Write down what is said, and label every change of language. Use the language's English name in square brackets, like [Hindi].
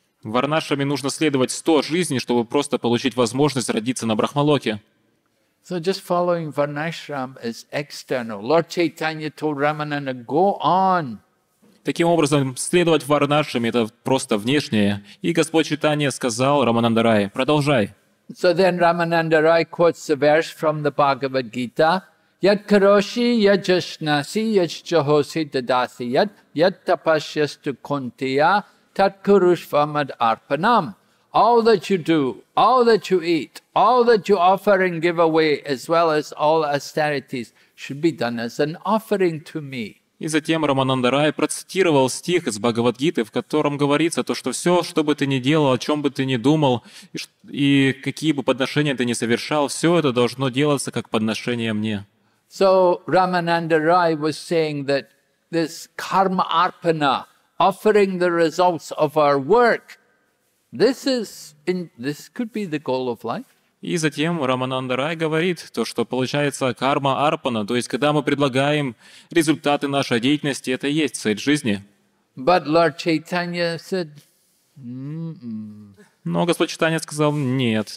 [Russian] Варнашраме нужно следовать 100 жизней, чтобы просто получить возможность родиться на Брахмалоке. [English] So just following Varnashram is external. Lord Chaitanya told Ramananda, go on. [Russian] Таким образом, следовать Варнашраме это просто внешнее. И Господь Чайтанья сказал Рамананда Рай, продолжай. [English] So then Ramananda Rai quotes a verse from the Bhagavad Gita. [Sanskrit] Yad karoshi yajashnasi yajjahosi dadasi yad yad tapasyastu kuntiya tat kurushvamad arpanam. [English] All that you do, all that you eat, all that you offer and give away, as well as all austerities, should be done as an offering to me. [Russian] И затем Рамананда Рай процитировал стих из Бхагавад-гиты, в котором говорится то, что все, что бы ты ни делал, о чем бы ты ни думал, и какие бы подношения ты ни совершал, все это должно делаться как подношение мне. [English] So Ramananda Rai was saying that this karma arpana, offering the results of our work, this could be the goal of life. [Russian] И затем Рамананда Рай говорит, то, что получается карма арпана, то есть когда мы предлагаем результаты нашей деятельности, это и есть цель жизни. [English] But Lord Chaitanya said, mm-mm. [Russian] Но Господь Чайтанья сказал, нет.